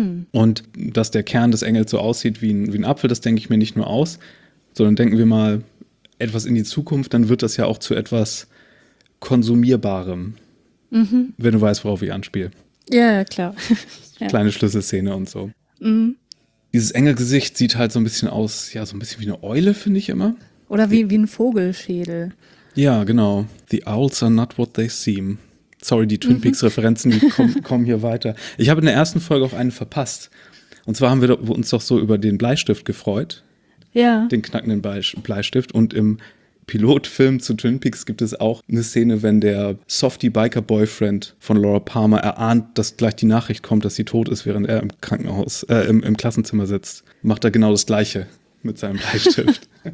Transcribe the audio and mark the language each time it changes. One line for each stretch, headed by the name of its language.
German: Und dass der Kern des Engels so aussieht wie ein Apfel, das denke ich mir nicht nur aus, sondern denken wir mal etwas in die Zukunft, dann wird das ja auch zu etwas Konsumierbarem, wenn du weißt, worauf ich anspiele. Ja, klar. Kleine Schlüsselszene und so. Dieses Engelgesicht sieht halt so ein bisschen aus, ja, so ein bisschen wie eine Eule, finde ich immer. Oder wie ein Vogelschädel. Ja, genau.
English: The owls are not what they seem.
German: Sorry, die Twin Peaks-Referenzen, die kommen hier weiter. Ich habe in der ersten Folge auch eine verpasst. Und zwar haben wir uns doch so über den Bleistift gefreut. Ja. Den knackenden Bleistift. Und im Pilotfilm zu Twin Peaks gibt es auch eine Szene, wenn der Softie-Biker-Boyfriend von Laura Palmer erahnt, dass gleich die Nachricht kommt, dass sie tot ist, während er im Krankenhaus, im Klassenzimmer sitzt. Macht er genau das Gleiche mit seinem Bleistift.